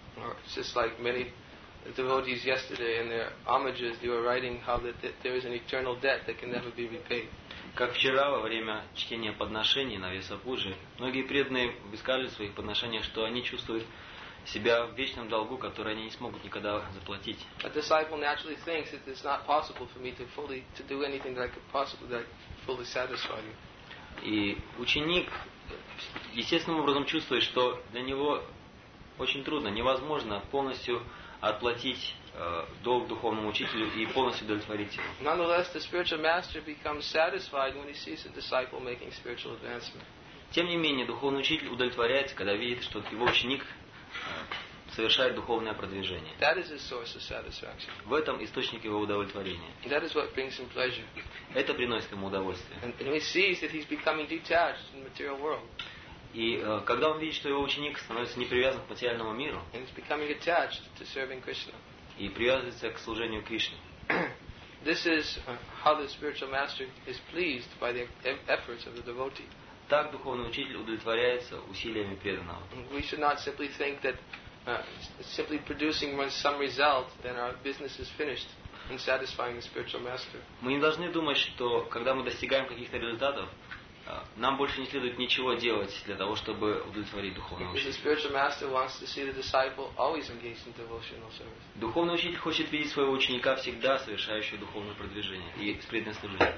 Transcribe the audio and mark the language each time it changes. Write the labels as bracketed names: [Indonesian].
[English] It's just like many devotees yesterday in their homages, they were writing how that there is an eternal debt that can never be repaid. [Russian] Как вчера во время чтения подношений на Весапуджи, многие преданные высказывали в своих подношениях, что они чувствуют себя в вечном долгу, который они не смогут никогда заплатить. [English] A disciple naturally thinks that it's not possible for me to fully to do anything that I could possibly that fully satisfy you. [Russian] И ученик естественным образом чувствует, что для него очень трудно, невозможно полностью отплатить долг духовному учителю и полностью удовлетворить его. [English] Nonetheless, the spiritual master becomes satisfied when he sees the disciple making spiritual advancement. [Russian] Тем не менее, духовный учитель удовлетворяется, когда видит, что его ученик совершает духовное продвижение. [English] That is his source of satisfaction. [Russian] В этом источник его удовлетворения. [English] That is what brings him pleasure. [Russian] Это приносит ему удовольствие. [English] And he sees that he's becoming detached from the material world. [Russian] И когда он видит, что его ученик становится не привязан к материальному миру, [English] and he's becoming attached to serving Krishna. [Russian] И привязывается к служению Кришне. [English] This is how the spiritual master is pleased by the efforts of the devotee. [Russian] Так духовный учитель удовлетворяется усилиями преданного. [English] We should not simply think that simply producing some result, then our business is finished in satisfying the spiritual master. [Russian] Мы не должны думать, что когда мы достигаем каких-то результатов, нам больше не следует ничего делать для того, чтобы удовлетворить духовного учителя. [English] The spiritual master wants to see the disciple always engaged in devotional service. [Russian] Духовный учитель хочет видеть своего ученика всегда совершающего духовное продвижение и преданное служение.